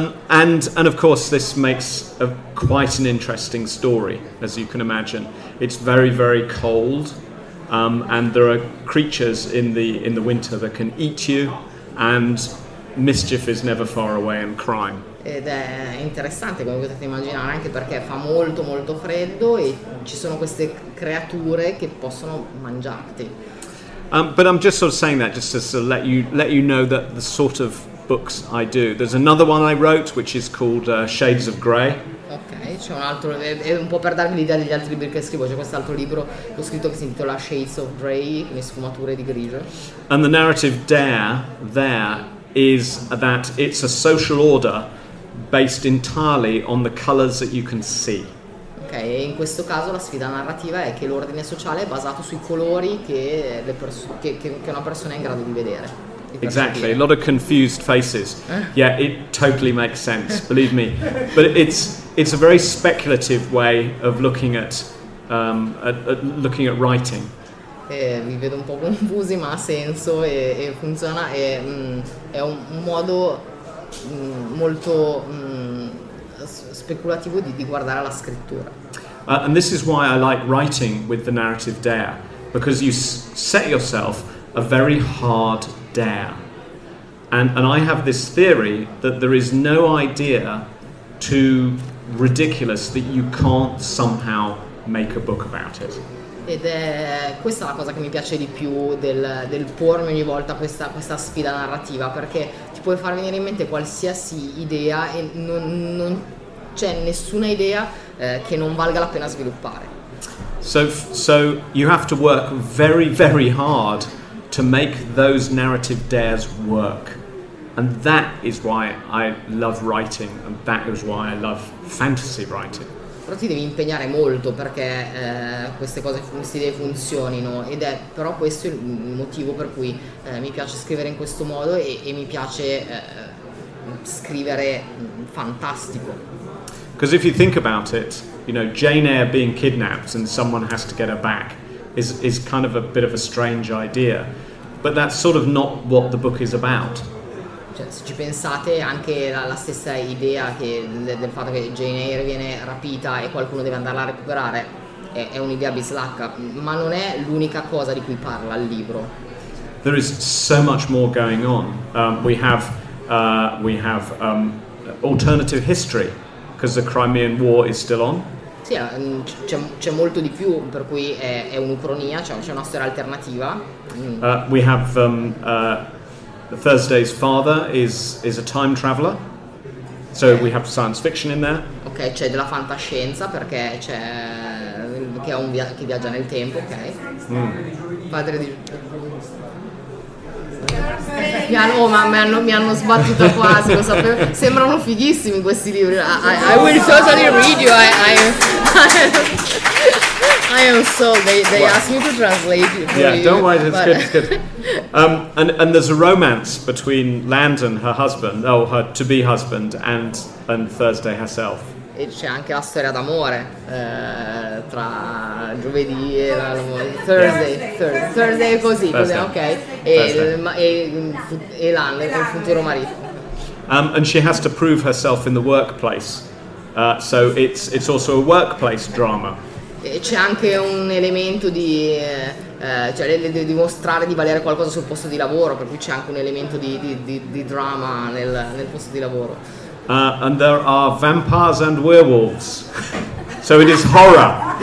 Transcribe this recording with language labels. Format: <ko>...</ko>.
<en>And of course, this makes quite an interesting story, as you can imagine. It's very, very cold, and there are creatures in the winter that can eat you, and mischief is never far away in crime.</en> <it>Ed è interessante, come potete immaginare, anche perché fa molto molto freddo e ci sono queste creature che possono mangiarti.</it> <en>But I'm just sort of saying that just to sort of let you know that the sort of books I do. There's another one I wrote which is called Shades of Grey.</en> <it>Ok, c'è un altro, è un po' per darmi l'idea degli altri libri che scrivo, c'è quest'altro libro che ho scritto che si intitola Shades of Grey, le sfumature di grigio.</it> <en>And the narrative there is that it's a social order based entirely on the colors that you can see.</en> <it>Okay, in questo caso la sfida narrativa è che l'ordine sociale è basato sui colori che una persona è in grado di vedere.</it> <en>Exactly, a lot of confused faces. Eh? Yeah, it totally makes sense, believe me. But it's a very speculative way of looking at writing.</en> <it>Mi vedo un po' confusi, ma ha senso e funziona. È un modo molto speculativo di guardare la scrittura.</it> <en>And this is why I like writing with the narrative dare, because you set yourself a very hard dare. And I have this theory that there is no idea too ridiculous that you can't somehow make a book about it.</en> <it>Ed è questa la cosa che mi piace di più del pormi ogni volta questa sfida narrativa, perché ti puoi far venire in mente qualsiasi idea e non c'è nessuna idea che non valga la pena sviluppare.</it> <en>So you have to work very, very hard to make those narrative dares work. And that is why I love writing, and that is why I love fantasy writing.</en> <it>Però ti devi impegnare molto perché queste idee funzionino, ed è però questo il motivo per cui mi piace scrivere in questo modo e mi piace scrivere fantastico.</it> <en>Because if you think about it, you know, Jane Eyre being kidnapped and someone has to get her back is kind of a bit of a strange idea, but that's sort of not what the book is about.</en> <it>Cioè, se ci pensate, anche la stessa idea del fatto che Jane Eyre viene rapita e qualcuno deve andarla a recuperare è un'idea bislacca, ma non è l'unica cosa di cui parla il libro.</it> <en>There is so much more going on. We have alternative history, because the Crimean War is still on.</en> <it>Sì, c'è molto di più, per cui è un'ucronia, c'è una storia alternativa.</it> <en>The Thursday's father is a time traveler. So we have science fiction in there.</en> <it>Ok, c'è della fantascienza perché c'è che è un che viaggia nel tempo, ok. Padre di mi hanno sbattuto quasi, lo sapevo. Sembrano fighissimi questi libri.</it> <en>I will totally read you. I am sold. They asked me to translate it for yeah, you. Yeah, don't worry. It's good. And there's a romance between Landon, her husband, oh, her to-be husband, and Thursday herself.</en> <it>E c'è anche la storia d'amore tra giovedì e la Thursday. Così, ok. E il futuro marito.</it> <en>And she has to prove herself in the workplace. So it's also a workplace drama.</en> <it>E c'è anche un elemento di cioè dimostrare di valere qualcosa sul posto di lavoro, per cui c'è anche un elemento di drama nel posto di lavoro.</it> <en>And there are vampires and werewolves. So it is horror.</en>